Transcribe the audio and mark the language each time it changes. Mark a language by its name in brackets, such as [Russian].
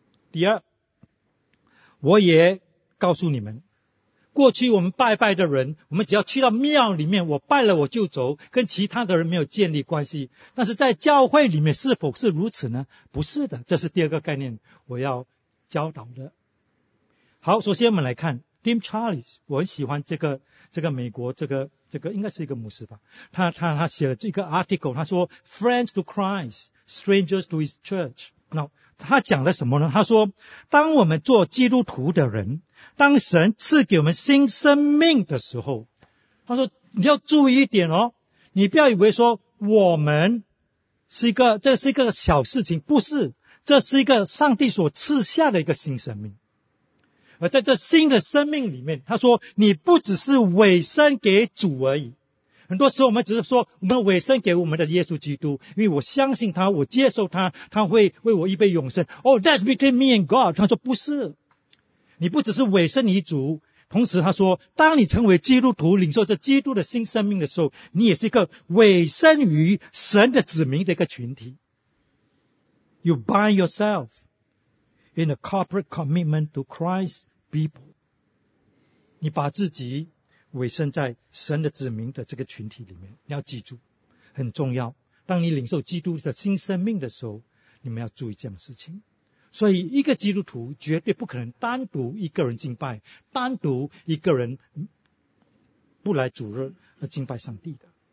[Chinese] 第二，我也告诉你们，过去我们拜拜的人，我们只要去到庙里面，我拜了我就走，跟其他的人没有建立关系。但是在教会里面是否是如此呢？不是的。这是第二个概念我要教导的。好，首先我们来看 Tim Charles， 我很喜欢这个美国这个应该是一个牧师吧。他写了这个 article， 他说 [English] Friends to Christ, Strangers to His Church。 [Chinese] 那他讲了什么呢？他说，当我们做基督徒的人，当神赐给我们新生命的时候，他说你要注意一点哦，你不要以为说我们是一个，这是一个小事情，不是，这是一个上帝所赐下的一个新生命。而在这新的生命里面，他说你不只是委身给主而已。很多时候我们只是说我们委身给我们的耶稣基督，因为我相信他，我接受他，他会为我预备永生。 [English] Oh, that's between me and God. [Chinese] 他说不是，你不只是委身于主，同时他说当你成为基督徒，领受这基督的新生命的时候，你也是一个委身于神的子民的一个群体。 [English] You bind yourself in a corporate commitment to Christ's people. [Chinese] 你把自己委身在神的子民的这个群体里面，你要记住很重要，当你领受基督的新生命的时候，你们要注意这样的事情。所以一个基督徒绝对不可能单独一个人敬拜，单独一个人不来主日而敬拜上帝的。